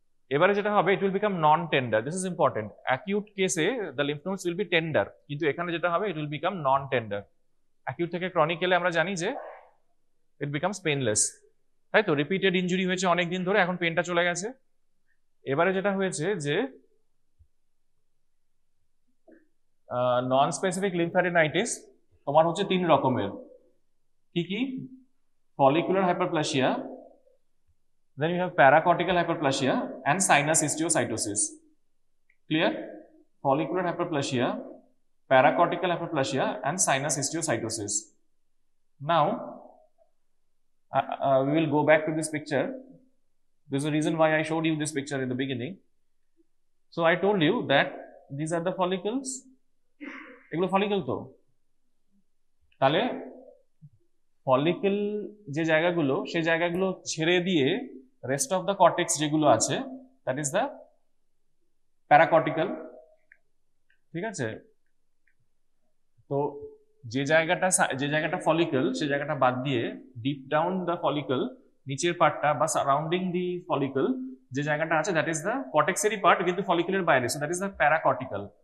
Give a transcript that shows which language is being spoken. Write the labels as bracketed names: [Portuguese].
[Bangla] Ebare jeta hobe, [English] it will become non tender. This is important. Acute case e the lymph nodes will be tender, [Bangla] kintu ekhane jeta hobe, [English] it will become non tender. [Bangla] Acute theke chronic ele amra jani je [English] it becomes painless, right? So repeated injury [Bangla] hoyeche onek din dhore, ekhon pain ta chole geche. এবারে যেটা হয়েছে যে non specific লিম্ফারেনাইটিস তোমার হচ্ছে তিন রকমের, কি কি, follicular hyperplasia, [English] then you have [Bangla] প্যারাকর্টিক্যাল hyperplasia and sinus ইস্টিওসাইটোসিস। Clear, follicular hyperplasia, প্যারাকর্টিক্যাল hyperplasia and sinus ইস্টিওসাইটোসিস। [English] Now we will go back to this picture, there's a reason why I showed you this picture in the beginning. So I told you that these are the follicles, [Bangla] eglo follicle to তাহলে follicle যে জায়গাগুলো সেই জায়গাগুলো ছেড়ে দিয়ে [English] rest of the cortex [Bangla] যেগুলো আছে [English] that is the paracortical, [Bangla] ঠিক আছে? তো যে জায়গাটা ফলিকল সেই জায়গাটা বাদ দিয়ে ডিপ ডাউন দ্য ফলিকল নিচের পার্টটা বা সারাউন্ডিং দি ফলিকল যে জায়গাটা আছে দ্যাট ইজ দ্য কর্টেক্সেরই পার্ট কিন্তু ফলিকলের বাইরে, [English] So that is the paracortical.